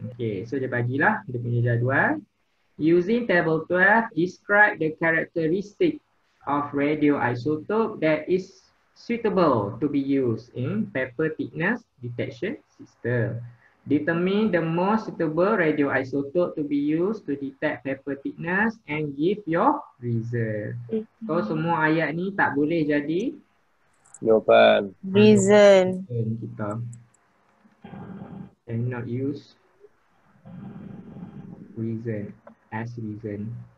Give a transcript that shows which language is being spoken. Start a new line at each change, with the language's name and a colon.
English: Okay,
Malay: so dia bagilah dia punya jadual.
English: Using table 12, describe the characteristic of radioisotope that is suitable to be used in paper thickness detection system. Determine the most suitable radioisotope to be used to detect paper thickness and give your result.
Malay: So semua ayat ni tak boleh jadi jawapan.
English: Reason. And kita and not use reason as reason.